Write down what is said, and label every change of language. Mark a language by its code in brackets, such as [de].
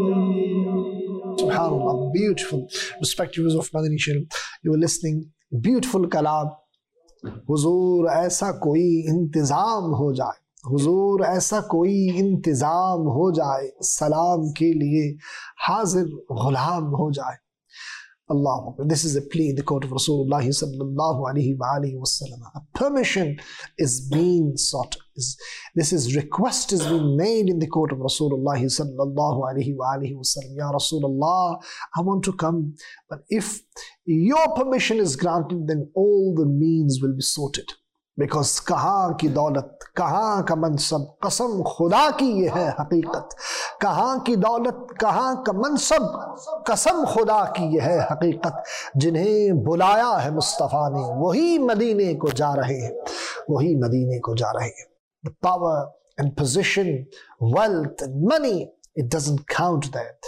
[en] سبحان اللہ beautiful respective users of Madani channel you are listening beautiful کلام [ur] حضور ایسا کوئی انتظام ہو جائے حضور ایسا کوئی انتظام ہو جائے سلام کے لیے حاضر غلام ہو جائے [en] Allah, this is a plea in the court of Rasulullah sallallahu alayhi wa alihi wa sallam. Permission is being sought. This is request is being made in the court of Rasulullah sallallahu alayhi wa alihi wa sallam. Ya Rasulullah, I want to come. But if your permission is granted, then all the means will be sorted. [ur] Because کہاں کی دولت کہاں کا منصب قسم خدا کی یہ ہے حقیقت کہاں کی دولت کہاں کا منصب قسم خدا کی یہ ہے حقیقت جنہیں بلایا ہے مصطفیٰ نے وہی مدینے کو جا رہے ہیں وہی مدینے کو جا رہے ہیں [en] The power and position, wealth and money, it doesn't count there.